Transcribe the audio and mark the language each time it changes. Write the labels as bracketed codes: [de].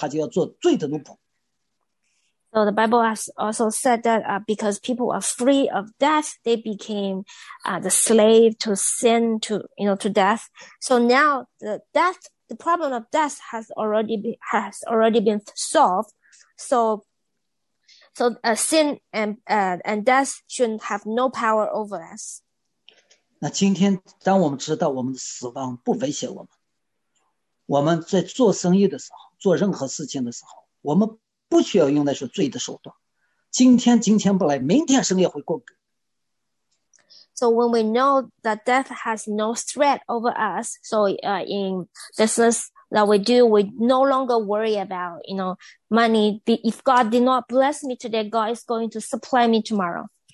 [zh] 那圣经里面也讲到，人呢因着怕死做了罪的奴仆。今天我们的死亡已经解除了，罪不能做我们的奴仆。这个真理要在我们的心里面。人一生因着怕死，他就要做罪的奴仆。 [en] So the Bible has also said that because people are free of death, they became the slave to sin, to death. So now the problem of death has already been solved. So sin and death shouldn't have no power over us. [zh] 那今天当我们知道我们的死亡不威胁我们，我们在做生意的时候，做任何事情的时候，我们不需要用那些罪的手段。今天金钱不来，明天生意会过。 [en] So when we know that death has no threat over us, so in business that we do, we no longer worry about, you know, money. If God did not bless me today, God is going to supply me tomorrow.